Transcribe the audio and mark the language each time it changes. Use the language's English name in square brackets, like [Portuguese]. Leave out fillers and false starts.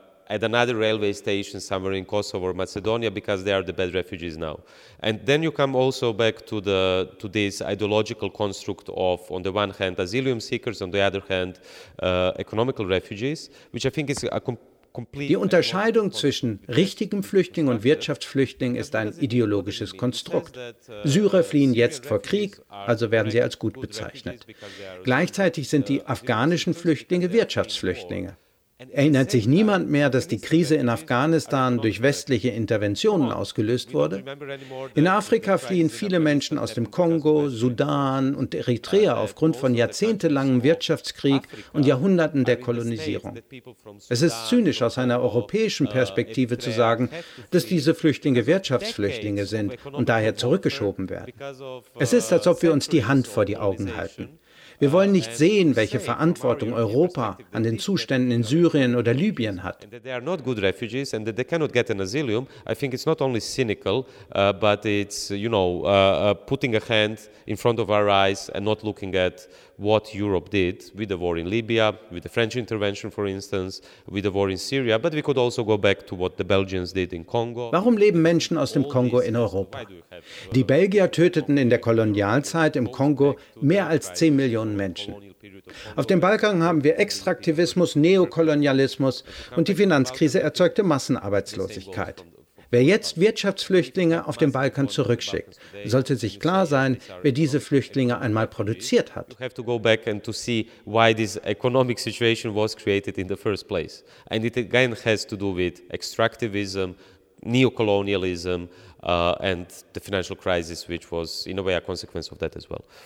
[English] At another railway station somewhere in Kosovo or Macedonia, because they are the bad refugees now. And then you come also back to the to this ideological construct of, on the one hand, asylum seekers, on the other hand, economical refugees, which I think is a complete. [German] Die Unterscheidung zwischen richtigem Flüchtling und Wirtschaftsflüchtling ist ein ideologisches Konstrukt. Syrer fliehen jetzt vor Krieg, also werden sie als gut bezeichnet. Gleichzeitig sind die afghanischen Flüchtlinge Wirtschaftsflüchtlinge. Erinnert sich niemand mehr, dass die Krise in Afghanistan durch westliche Interventionen ausgelöst wurde? In Afrika fliehen viele Menschen aus dem Kongo, Sudan und Eritrea aufgrund von jahrzehntelangem Wirtschaftskrieg und Jahrhunderten der Kolonisierung. Es ist zynisch, aus einer europäischen Perspektive zu sagen, dass diese Flüchtlinge Wirtschaftsflüchtlinge sind und daher zurückgeschoben werden. Es ist, als ob wir uns die Hand vor die Augen halten. Wir wollen nicht sehen, welche Verantwortung Europa an den Zuständen in Syrien oder Libyen hat. [English] They are not good refugees and they cannot get an asylum. I think it's not only cynical, but it's, you know, putting a hand in front of our eyes and not looking at what Europe did with the war in Libya, with the French intervention, for instance, with the war in Syria, but we could also go back to what the Belgians did in Congo. [German] Warum leben Menschen aus dem Kongo in Europa? Die Belgier töteten in der Kolonialzeit im Kongo mehr als 10 Millionen Menschen. Auf dem Balkan haben wir Extraktivismus, Neokolonialismus und die Finanzkrise erzeugte Massenarbeitslosigkeit. Wer jetzt Wirtschaftsflüchtlinge auf den Balkan zurückschickt, sollte sich klar sein, wer diese Flüchtlinge einmal produziert hat. [English] You have to go back and to see why this economic situation was created in the first place. And it again has to do with extractivism, neocolonialism, and the financial crisis, which was in a way a consequence of that as well.